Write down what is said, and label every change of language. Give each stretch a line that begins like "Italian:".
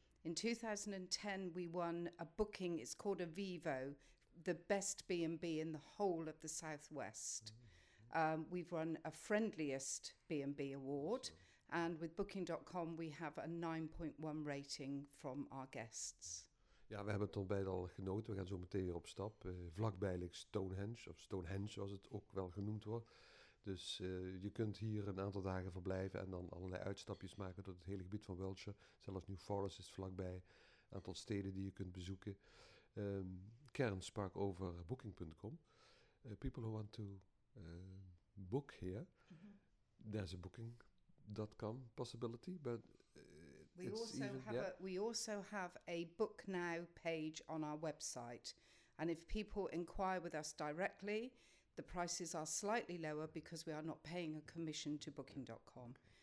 English: In 2010, we won a booking. It's called Avivo, the best B&B in the whole of the Southwest. Mm-hmm. We've won a Friendliest B&B Award. So. And with Booking.com, we have a 9.1 rating from our guests.
Dutch: Ja, we hebben het ontbijt al genoten. We gaan zo meteen weer op stap. Vlakbij ligt Stonehenge, of Stonehenge zoals het ook wel genoemd wordt. Dus je kunt hier een aantal dagen verblijven en dan allerlei uitstapjes maken door het hele gebied van Wiltshire. Zelfs New Forest is vlakbij. Een aantal steden die je kunt bezoeken. Karen sprak over Booking.com.
English: People who want to book here, mm-hmm. there's a booking. .com possibility, but we also have a book now page on our website, and if people inquire with us directly, the prices are slightly lower because we are not paying a commission to booking.com.